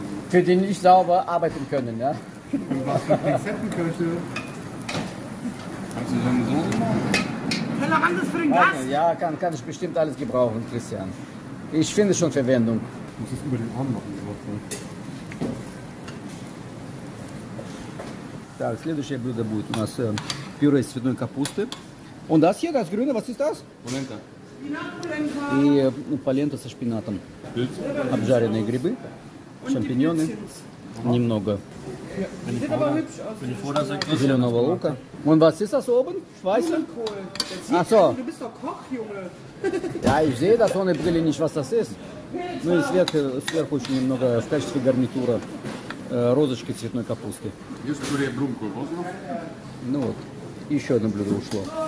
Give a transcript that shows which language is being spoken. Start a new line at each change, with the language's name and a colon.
German: Für die nicht sauber arbeiten können, ja? Was für Pinzettenköche? Kannst du denn so? Tellerrand ist für den Gast! Ja, kann ich bestimmt alles gebrauchen, Christian. Ich finde schon Verwendung. Ich muss es über den Arm machen, ich hoffe.
Russian: Так, следующее блюдо будет у нас пюре из цветной капусты.
German: Und das hier, das grüne, was ist das? Polenta.
Russian: И полента со шпинатом. Обжаренные грибы. Шампиньоны. Немного. Зеленого лука.
German: Und was ist das oben? Schweißer? Achso. Du bist doch Koch, Junge. Ja, ich sehe das ohne Brille nicht, was das ist.
Russian: Ну и сверху очень немного в качестве гарнитура розочки цветной капусты. Есть пюре брунку, можно? Ну вот, еще одно блюдо ушло.